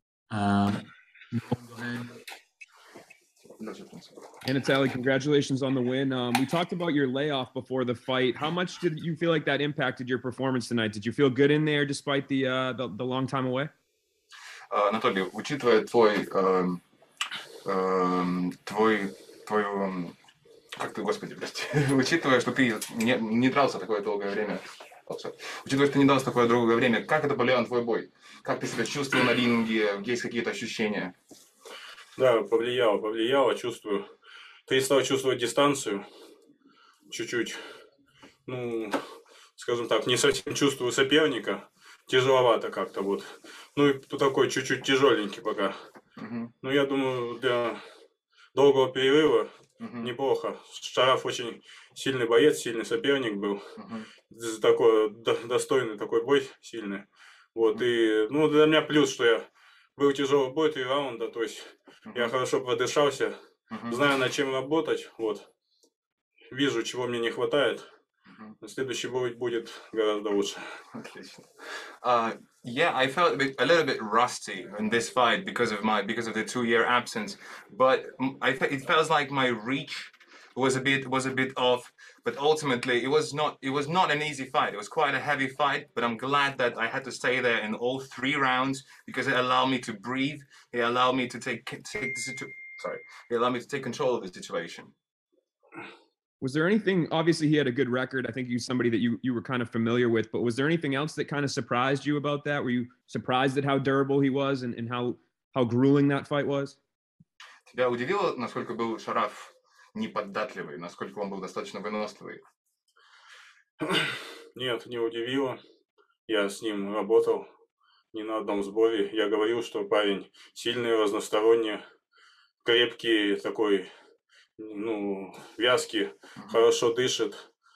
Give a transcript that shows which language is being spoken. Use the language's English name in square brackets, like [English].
[English] Go ahead. Anatoly, congratulations on the win. We talked about your layoff before the fight. How much did you feel like that impacted your performance tonight? Did you feel good in there despite the long time away? [Russian] Anatoly, учитывая твой как ты, господи, блядь, учитывая, что ты не дрался такое долгое время, учитывая, что ты не дрался такое долгое время, как это повлияло на твой бой? Как ты себя чувствовал на ринге? Есть какие-то ощущения? Да, повлияло, чувствую. Ты стал чувствовать дистанцию чуть-чуть. Ну, скажем так, не совсем чувствую соперника. Тяжеловато как-то вот. Ну, и такой чуть-чуть тяжеленький пока. Ну, я думаю, для долгого перерыва неплохо. Шараф очень сильный боец, сильный соперник был. Такой достойный такой бой, сильный. Вот, и, ну, для меня плюс, что я был тяжелый бой, 3 раунда, то есть я хорошо продышался, знаю, над чем работать, вот. Вижу, чего мне не хватает. Следующий бой будет гораздо лучше. Отлично. [English] Yeah, I felt a little bit rusty in this fight because of the 2-year absence, but it feels like my reach was a bit off, but ultimately it was not an easy fight. It was quite a heavy fight, but I'm glad that I had to stay there in all 3 rounds because it allowed me to breathe. It allowed me to take control of the situation. Was there anything, obviously he had a good record. I think he was somebody that you were kind of familiar with, but was there anything else that kind of surprised you about that? Were you surprised at how durable he was and how grueling that fight was? [Russian] Тебя удивило, насколько был Шараф неподатливый, насколько он был достаточно выносливый? Нет, не удивило. Я с ним работал не на одном сборе. Я говорил, что парень сильный, разносторонний, крепкий такой, ну, вязки, хорошо дышит.